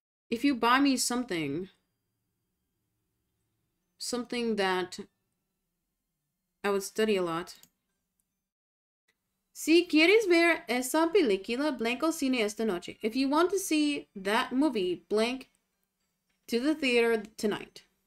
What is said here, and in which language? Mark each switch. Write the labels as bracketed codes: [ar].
[en] If you buy me something, something that I would study a lot. [es] Si quieres ver esa película, blanco cine esta noche. [en] If you want to see that movie, blank to the theater tonight.